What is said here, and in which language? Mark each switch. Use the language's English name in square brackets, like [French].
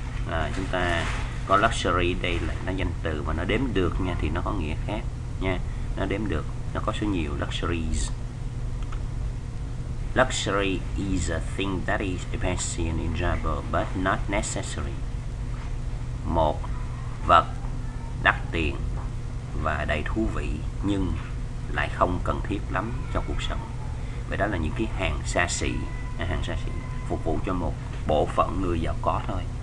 [Vietnamese] À, chúng ta có luxury đây là nó danh từ mà nó đếm được nha, thì nó có nghĩa khác nha. Nó đếm được, nó có số nhiều luxuries. [English] Luxury is a thing that is fancy and enjoyable but not necessary. [Vietnamese] Một vật đắt tiền và đầy thú vị nhưng lại không cần thiết lắm cho cuộc sống. Vậy đó là những cái hàng xa xỉ, hàng xa xỉ phục vụ cho một bộ phận người giàu có thôi.